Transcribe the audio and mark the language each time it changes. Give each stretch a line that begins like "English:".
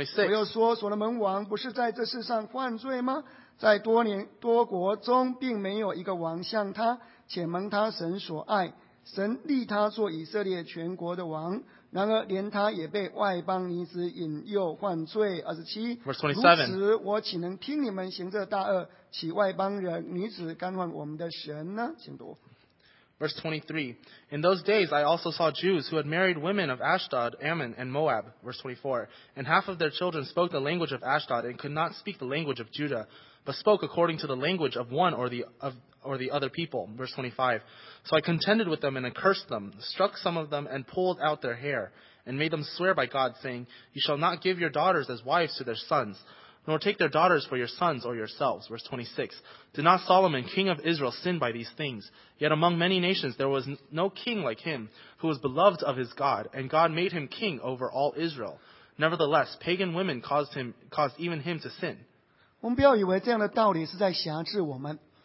Chinese: 我又说所罗门王不是在这世上犯罪吗？在多国中并没有一个王像他，且蒙他神所爱，神立他做以色列全国的王， 然而连他也被外邦女子引诱犯罪。27，此时我岂能听你们行这大恶，起外邦人女子干犯我们的神呢？请读。
English: Verse 23. In those days I also saw Jews who had married women of Ashdod, Ammon, and Moab. Verse 24. And half of their children spoke the language of Ashdod and could not speak the language of Judah, but spoke according to the language of one or the other people. Verse 25. So I contended with them and accursed them, struck some of them and pulled out their hair, and made them swear by God, saying, you shall not give your daughters as wives to their sons, nor take their daughters for your sons or yourselves. Verse 26. Did not Solomon, king of Israel, sin by these things? Yet among many nations there was no king like him, who was beloved of his God, and God made him king over all Israel. Nevertheless, pagan women caused even him to sin.
Chinese: 我们不要以为这样的道理是在辖制我们。